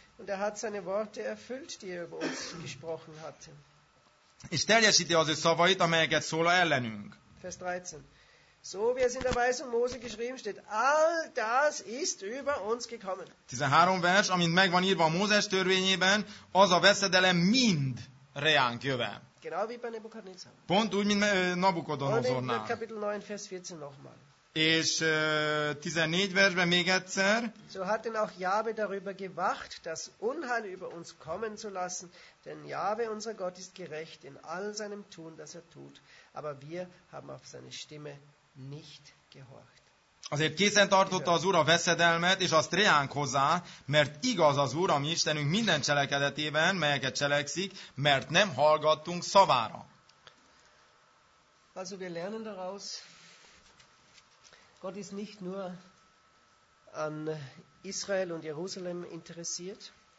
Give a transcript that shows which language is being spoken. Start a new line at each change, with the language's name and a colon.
German: Und hat seine Worte erfüllt, die über uns gesprochen hatte.
Hungarian: És teljesíti az ő szavait, amelyeket szól ellenünk.
German: Vers 13. So wie es in der Weisung Mose geschrieben steht, all das ist über uns gekommen.
Hungarian: 13. vers, amint megvan írva a Mózes törvényében, az a veszedelem mind reánk jöve.
German: Genau wie bei Nebukadnezar.
Hungarian: Pont úgy, mint Nabukodonozornál.
German: Und in Kapitel 9, Vers 14 nochmal.
Hungarian: És 14 versben még egyszer.
German: So hat denn auch Jahwe darüber gewacht, das Unheil über uns kommen zu lassen, denn Jahwe, unser Gott, ist gerecht in all seinem Tun, das er tut, aber wir haben auf seine Stimme nicht gehorcht.
Hungarian: Azért készen tartotta az Úr a veszedelmet, és azt reánk hozzá, mert igaz az Úr, a mi Istenünk minden cselekedetében, melyeket cselekszik, mert nem hallgattunk szavára.
German: Also wir lernen daraus, Gott ist nicht nur an Israel und Jerusalem interessiert.